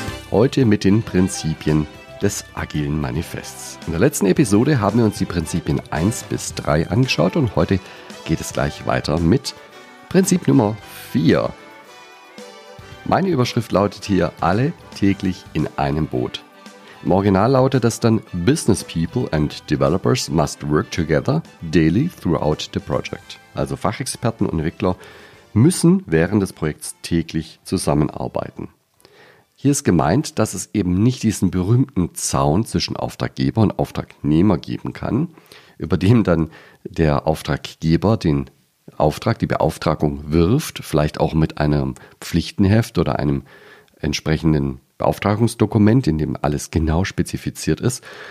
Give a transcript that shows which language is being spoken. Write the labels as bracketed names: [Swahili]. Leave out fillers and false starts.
[German] Heute mit den Prinzipien des Agilen Manifests. In der letzten Episode haben wir uns die Prinzipien 1 bis 3 angeschaut und heute geht es gleich weiter mit Prinzip Nummer 4. Meine Überschrift lautet hier: Alle täglich in einem Boot. Im Original lautet das dann: [English] Business people and developers must work together daily throughout the project. [German] Also Fachexperten und Entwickler müssen während des Projekts täglich zusammenarbeiten. Hier ist gemeint, dass es eben nicht diesen berühmten Zaun zwischen Auftraggeber und Auftragnehmer geben kann, über dem dann der Auftraggeber den Auftrag, die Beauftragung wirft, vielleicht auch mit einem Pflichtenheft oder einem entsprechenden Beauftragungsdokument, in dem alles genau spezifiziert ist.